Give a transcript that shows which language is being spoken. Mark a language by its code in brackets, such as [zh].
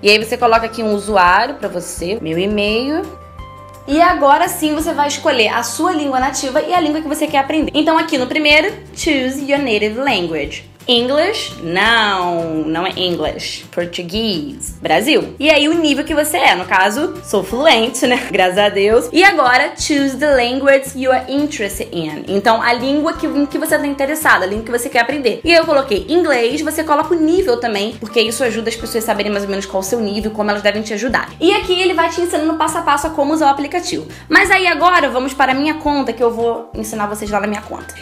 [pt] E aí você coloca aqui um usuário pra você, meu e-mail. E agora sim você vai escolher a sua língua nativa e a língua que você quer aprender. Então aqui no primeiro, [en] choose your native language. English? [pt] Não, não é English. Português. Brasil. E aí o nível que você é, no caso, sou fluente, né? Graças a Deus. E agora, [en] choose the language you are interested in. [pt] Então, a língua em que você está interessada, a língua que você quer aprender. E aí eu coloquei inglês, você coloca o nível também, porque isso ajuda as pessoas a saberem mais ou menos qual o seu nível, como elas devem te ajudar. E aqui ele vai te ensinando passo a passo a como usar o aplicativo. Mas aí agora, vamos para a minha conta, que eu vou ensinar vocês lá na minha conta.